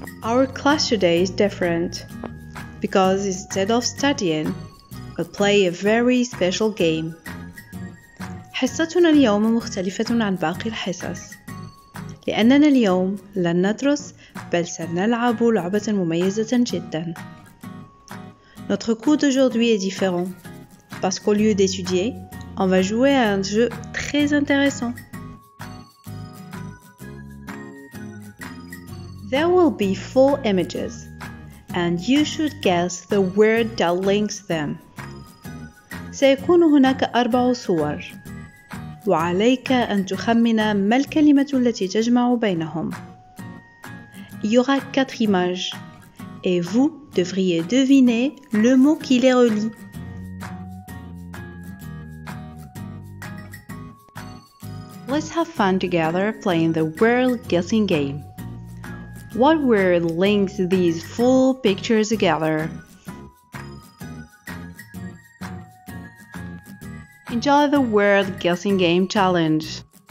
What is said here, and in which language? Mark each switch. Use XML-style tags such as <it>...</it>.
<en>Our class today is different because instead of studying, we play a very special game.</en> <ar>حصتنا اليوم مختلفة عن باقي الحصص لأننا اليوم لن ندرس بل سنلعب لعبة مميزة جدا.</ar> <fr>Notre cours d'aujourd'hui est différent parce qu'au lieu d'étudier, on va jouer à un jeu très intéressant.</fr> <en>There will be four images, and you should guess the word that links them.</en> <ar>سيكون هناك أربع صور، وعليك أن تخمن ما الكلمة التي تجمع بينهم.</ar> <fr>Il y aura quatre images, et vous devriez deviner le mot qui les relie.</fr> <en>Let's have fun together playing the word guessing game. What word links these four pictures together? Enjoy the word guessing game challenge.</en>